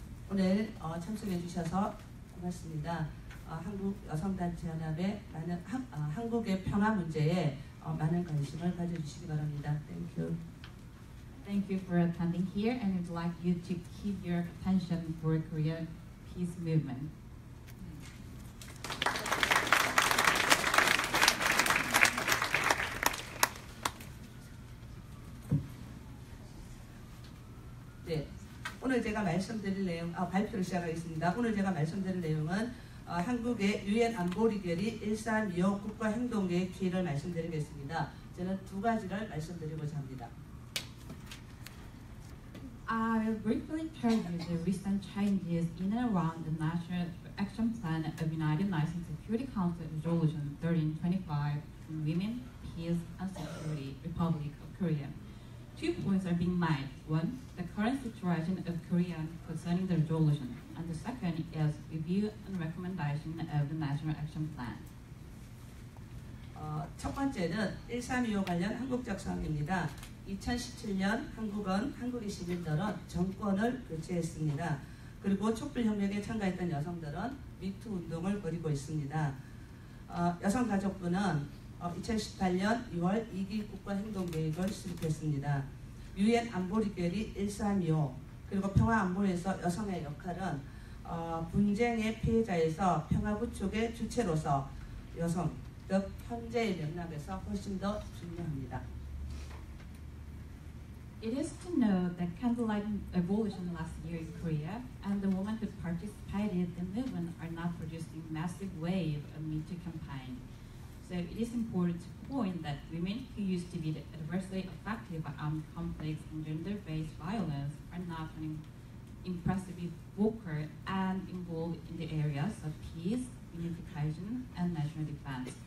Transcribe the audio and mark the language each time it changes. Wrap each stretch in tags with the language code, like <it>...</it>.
<ko>오늘 참석해 주셔서 고맙습니다. 한국 여성단체 연합의 많은 한국의 평화 문제에 많은 관심을 가져주시기 바랍니다.</ko> <en>Thank you. Thank you for attending here, and we'd like you to keep your attention for Korea peace movement.</en> <ko>오늘 제가 말씀드릴 내용, 발표를 시작하겠습니다. 오늘 제가 말씀드릴 내용은 한국의 유엔 안보리결의 1325 국가행동계획 기회를 말씀드리겠습니다. 저는 두 가지를 말씀드리고자 합니다.</ko> <en>I will briefly tell you the recent changes in and around the National Action Plan of United Nations Security Council Resolution 1325 on Women, Peace and Security, Republic of Korea. Two points are being made. One, the current situation of Korea concerning the resolution, and the second is review and recommendation of the National Action Plan.</en> <ko>첫 번째는 1325 관련 한국적 사항입니다. 2017년 한국은 한국의 시민들은 정권을 교체했습니다. 그리고 촛불혁명에 참가했던 여성들은 미투 운동을 벌이고 있습니다. 여성가족부는 2018년 2월 2기 국가행동계획을 수립했습니다. 유엔 안보리결의 1325 그리고 평화안보에서 여성의 역할은 분쟁의 피해자에서 평화구축의 주체로서 여성 즉 현재의 맥락에서 훨씬 더 중요합니다.</ko> <en>It is to know that candlelight revolution last year in Korea and the women who participated in the movement are now producing massive wave of MeToo campaign. So it is important to point that women who used to be adversely affected by armed conflicts and gender-based violence are now becoming impressively vocal and involved in the areas of peace, unification, and national defense.</en>